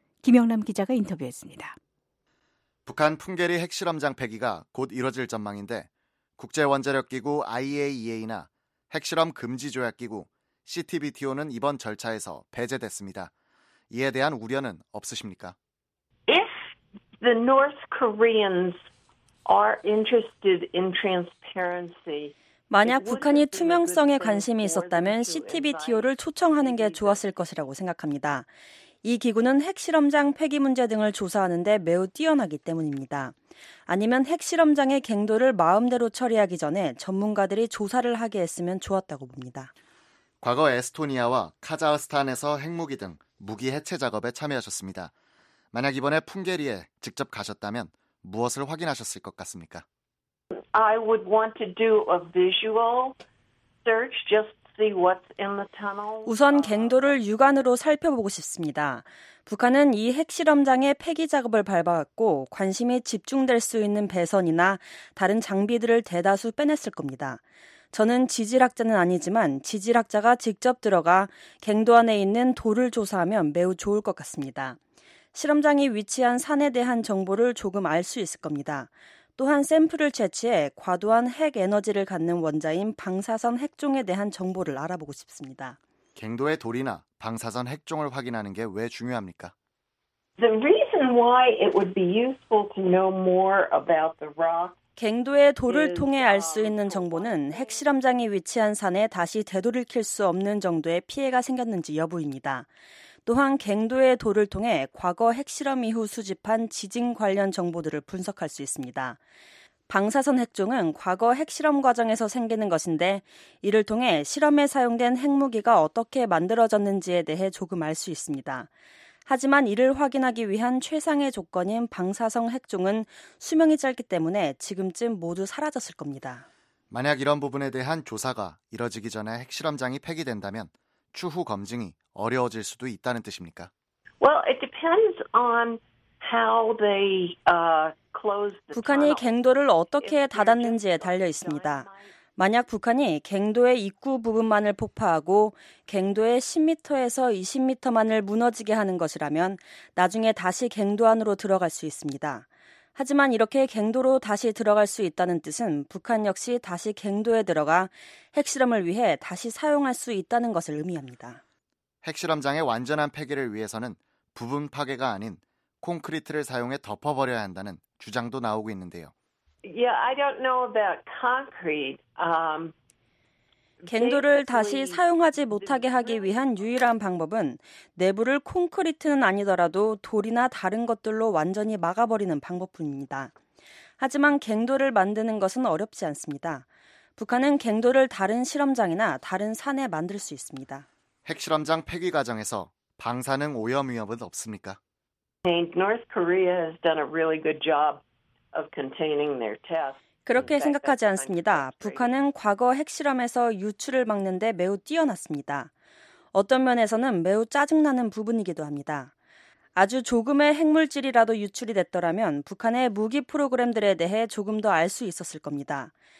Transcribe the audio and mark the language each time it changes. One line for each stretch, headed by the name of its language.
Korean: 김영남 기자가 인터뷰했습니다. 북한 풍계리 핵실험장 폐기가 곧 이뤄질 전망인데 국제원자력기구 IAEA나 핵실험금지조약기구 CTBTO는 이번 절차에서 배제됐습니다. 이에 대한 우려는 없으십니까?
English: If the North Koreans are interested in transparency,
Korean: 만약 북한이 투명성에 관심이 있었다면 CTBTO를 초청하는 게 좋았을 것이라고 생각합니다. 이 기구는 핵실험장 폐기 문제 등을 조사하는 데 매우 뛰어나기 때문입니다. 아니면 핵실험장의 갱도를 마음대로 처리하기 전에 전문가들이 조사를 하게 했으면 좋았다고 봅니다. 과거 에스토니아와 카자흐스탄에서 핵무기 등 무기 해체 작업에 참여하셨습니다. 만약 이번에 풍계리에 직접 가셨다면 무엇을 확인하셨을 것 같습니까?
English: I would want to do a visual search just to see what's in the tunnel.
Korean: 우선 갱도를 육안으로 살펴보고 싶습니다. 북한은 이 핵실험장의 폐기 작업을 밟아왔고 관심이 집중될 수 있는 배선이나 다른 장비들을 대다수 빼냈을 겁니다. 저는 지질학자는 아니지만 지질학자가 직접 들어가 갱도 안에 있는 돌을 조사하면 매우 좋을 것 같습니다. 실험장이 위치한 산에 대한 정보를 조금 알 수 있을 겁니다. 또한 샘플을 채취해 과도한 핵 에너지를 갖는 원자인 방사선 핵종에 대한 정보를 알아보고 싶습니다. 갱도의 돌이나 방사선 핵종을 확인하는 게 왜 중요합니까?
English: The reason why it would be useful to know more about the rock.
Korean: 갱도의 돌을 통해 알 수 있는 정보는 핵실험장이 위치한 산에 다시 되돌이킬 수 없는 정도의 피해가 생겼는지 여부입니다. 또한 갱도의 돌을 통해 과거 핵실험 이후 수집한 지진 관련 정보들을 분석할 수 있습니다. 방사선 핵종은 과거 핵실험 과정에서 생기는 것인데 이를 통해 실험에 사용된 핵무기가 어떻게 만들어졌는지에 대해 조금 알 수 있습니다. 하지만 이를 확인하기 위한 최상의 조건인 방사성 핵종은 수명이 짧기 때문에 지금쯤 모두 사라졌을 겁니다. 만약 이런 부분에 대한 조사가 이뤄지기 전에 핵실험장이 폐기된다면 추후 검증이 어려워질 수도 있다는 뜻입니까?
English: Well, it depends on how they close the
Korean: 북한이 갱도를 어떻게 닫았는지에 달려 있습니다. 만약 북한이 갱도의 입구 부분만을 폭파하고 갱도의 10m에서 20m만을 무너지게 하는 것이라면 나중에 다시 갱도 안으로 들어갈 수 있습니다. 하지만 이렇게 갱도로 다시 들어갈 수 있다는 뜻은 북한 역시 다시 갱도에 들어가 핵실험을 위해 다시 사용할 수 있다는 것을 의미합니다. 핵실험장의 완전한 폐기를 위해서는 부분 파괴가 아닌 콘크리트를 사용해 덮어버려야 한다는 주장도 나오고 있는데요.
English: Yeah, I don't know about concrete.
Korean: 갱도를 다시 사용하지 못하게 하기 위한 유일한 방법은 내부를 콘크리트는 아니더라도 돌이나 다른 것들로 완전히 막아버리는 방법뿐입니다. 하지만 갱도를 만드는 것은 어렵지 않습니다. 북한은 갱도를 다른 실험장이나 다른 산에 만들 수 있습니다. 핵실험장 폐기 과정에서 방사능 오염 위험은 없습니까?
English: North Korea has done a really good job of containing their tests.
Korean: 그렇게 생각하지 않습니다. 북한은 과거 핵실험에서 유출을 막는 데 매우 뛰어났습니다. 어떤 면에서는 매우 짜증나는 부분이기도 합니다. 아주 조금의 핵물질이라도 유출이 됐더라면 북한의 무기 프로그램들에 대해 조금 더 알 수 있었을 겁니다.